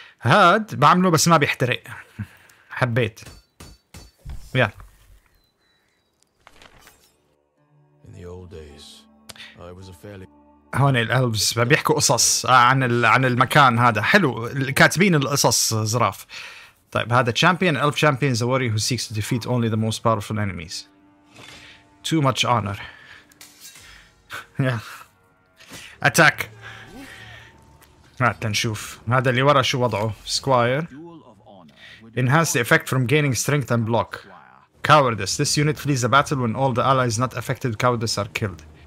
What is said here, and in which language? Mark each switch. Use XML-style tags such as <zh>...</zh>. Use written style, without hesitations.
<ar>هاد بعمله بس ما بيحترق حبيت.</ar> <en>يا in the old days I was a fairly.</en> <ar>هون الالفز بيحكوا قصص عن المكان هذا. حلو الكاتبين القصص زراف. طيب هذا</ar> <en>champion elf champion is a warrior who seeks to defeat only the most powerful enemies. Too much honor. Yeah. Attack.</en> <ar>نشوف هذا اللي ورا شو وضعه.</ar> <en>Squire. Enhance the effect from gaining strength and block. Cowardice. This unit flees the battle when all the allies not affected cowardice are killed.</en>